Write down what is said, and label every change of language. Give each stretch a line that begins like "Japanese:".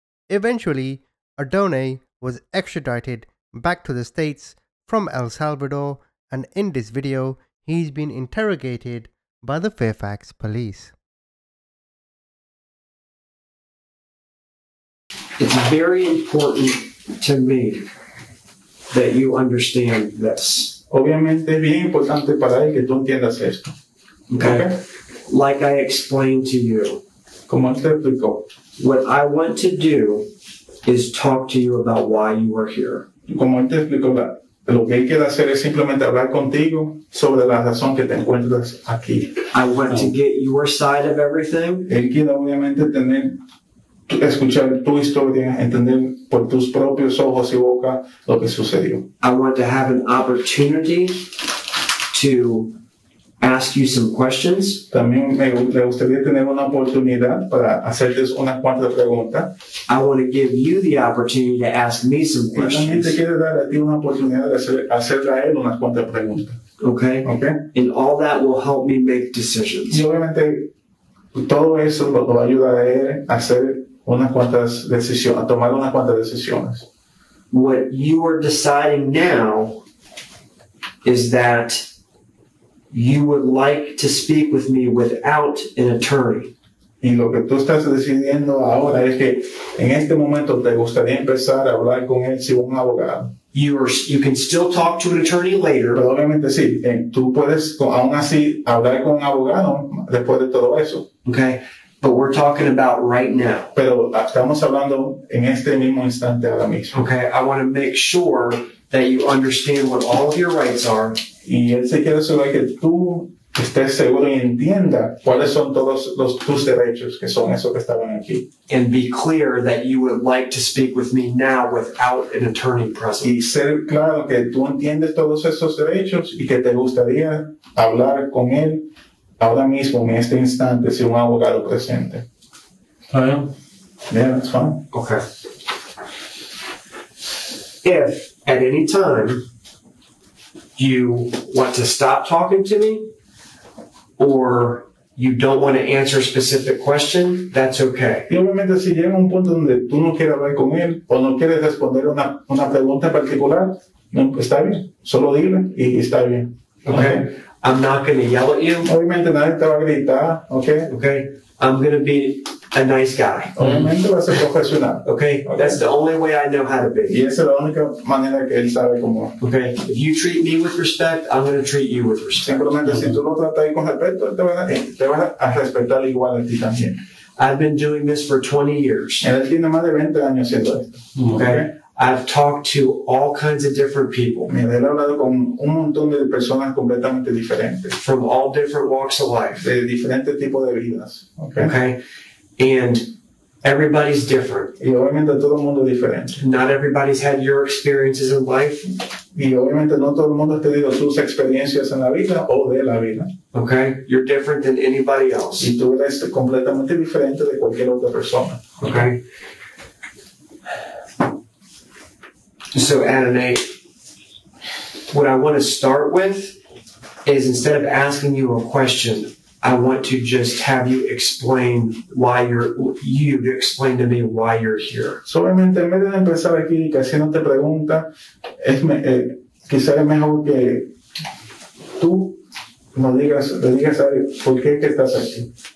English: Eventually, Adonay was extradited back to the States from El Salvador, and in this video, he's been interrogated by the Fairfax police. It's very important to me that you understand this.
Spanish: Obviamente, es bien importante para él que tú entiendas esto.
English: Okay. Like I explained to you.
Spanish: Como te explico.
English: What I want to do is talk to you about why you are here.
Spanish: Como te explico, lo que él quiere hacer es simplemente hablar contigo sobre la razón que te encuentras aquí.
English: I want to get your side of everything.
Spanish: Él quiere obviamente tener, escuchar tu historia, entender por tus propios ojos y boca lo que sucedió.
English: I want to have an opportunity to ask you some questions.
Spanish: También me gustaría tener una oportunidad para hacerte unas cuantas preguntas.
English: I want to give you the opportunity to ask me some questions.
Spanish: También te quiero dar a ti una oportunidad de hacerle a él unas cuantas preguntas.
English: Okay. Okay. And all that will help me make decisions.
Spanish: Y obviamente todo eso lo va a ayudar a él a hacer unas cuantas decisiones, a tomar unas cuantas decisiones.
English: What you are deciding now is that you would like to speak with me without an attorney.
Spanish: Y lo que tú estás decidiendo ahora es que en este momento te gustaría empezar a hablar con él sin un abogado.
English: You can still talk to an attorney later.
Spanish: Pero obviamente sí. Tú puedes aún así hablar con un abogado después de todo eso.
English: Okay. But we're talking about right now.
Spanish: Pero estamos hablando en este mismo instante ahora mismo.
English: Okay. I want to make sure that you understand what all of your rights are.
Spanish: Y él se quiere asegurar que tú estés seguro y entienda cuáles son todos los tus derechos, que son esos que estaban aquí.
English: And be clear that you would like to speak with me now without an attorney present.
Spanish: Y ser claro que tú entiendes todos esos derechos y que te gustaría hablar con él ahora mismo, en este instante, sin un abogado presente.
English: Yeah, that's fine. Okay. If at any time you want to stop talking to me, or you don't want to answer a specific question, that's okay.
Spanish: Y obviamente si llega un punto donde tú no quieres hablar con él o no quieres responder una pregunta particular, no, está bien. Solo dile y está bien.
English: Okay. I'm not going to yell at you.
Spanish: Obviamente nadie te va a gritar. Okay.
English: Okay. I'm going to be a nice guy.
Spanish: Obviamente va a ser profesional.
English: Okay. That's the only way I know how to be.
Spanish: Y esa es la única manera que él sabe cómo.
English: Okay. If you treat me with respect, I'm going to treat you with respect.
Spanish: Simplemente si tú lo tratas con respeto, te van a respetar igual a ti también.
English: I've been doing this for 20 years.
Spanish: Él tiene más de 20 años haciendo esto.
English: Okay. I've talked to all kinds of different people.
Spanish: Me he hablado con un montón de personas completamente diferentes.
English: From all different walks of life.
Spanish: De diferentes tipos de vidas. Okay.
English: Okay. And everybody's different.
Spanish: Y obviamente todo el mundo es diferente.
English: Not everybody's had your experiences in life.
Spanish: Y obviamente no todo el mundo ha tenido sus experiencias en la vida o de la vida.
English: Okay. You're different than anybody else.
Spanish: Y tú eres completamente diferente de cualquier otra persona.
English: Okay. So, Adonay, what I want to start with is, instead of asking you a question, I want to just have you explain why explain to me why you're here.
Spanish: Solamente en vez de empezar aquí y haciéndote pregunta, quizás es mejor que tú nos digas, le digas a él por qué que estás aquí.